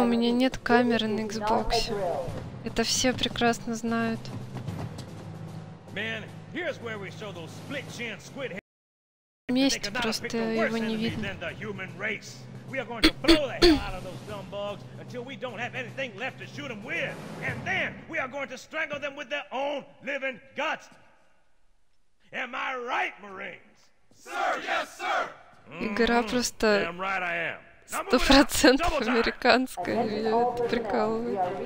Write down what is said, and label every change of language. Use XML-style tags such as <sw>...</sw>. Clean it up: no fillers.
<ru>У меня нет камеры на Xbox. Это все прекрасно знают. Вместе просто его не видно.</ru> <en>We are going to blow the hell out of those dumb bugs until we don't have anything left to shoot them with. And then we are going to strangle them with their own living guts. Am I right, Marines? Sir, yes, sir!</en> <ru>Игра просто 100% американская, меня это прикалывает.</ru>